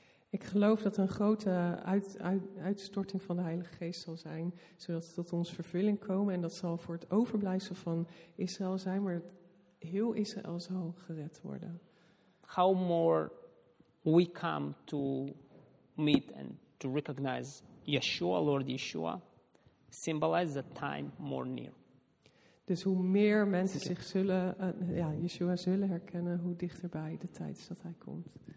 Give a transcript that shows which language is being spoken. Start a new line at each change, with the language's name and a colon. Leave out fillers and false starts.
Dutch: Ik geloof dat een grote uitstorting van de Heilige Geest zal zijn, zodat ze tot ons vervulling komen en dat zal voor het overblijfsel van Israël zijn, maar heel Israël zal gered worden.
English: How more we come to meet and to recognize Yeshua, Lord Yeshua, symbolize the time more near.
Dutch: Dus hoe meer mensen zich zullen, Yeshua zullen herkennen, hoe dichterbij de tijd is dat hij komt.